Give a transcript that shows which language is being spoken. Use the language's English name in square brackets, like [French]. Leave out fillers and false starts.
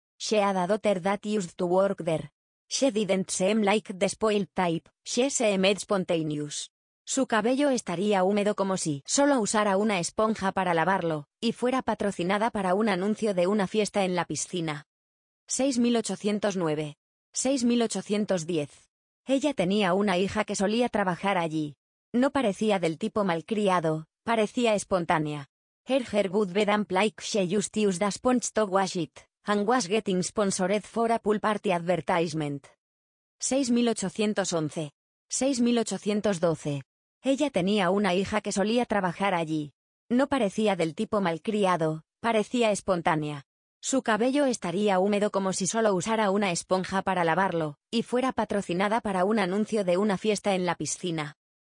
[English] She had a daughter that used to work there. She didn't seem like the spoiled type, she seemed spontaneous. [Spanish] Su cabello estaría húmedo como si solo usara una esponja para lavarlo, y fuera patrocinada para un anuncio de una fiesta en la piscina. 6809. 6810. Ella tenía una hija que solía trabajar allí. No parecía del tipo malcriado, parecía espontánea. [English] Her hair would be damp like she used to use the sponge to wash it, and was getting sponsored for a pool party advertisement. 6811. 6812. [Spanish] Ella tenía una hija que solía trabajar allí. No parecía del tipo malcriado, parecía espontánea. Su cabello estaría húmedo como si solo usara una esponja para lavarlo, y fuera patrocinada para un anuncio de una fiesta en la piscina.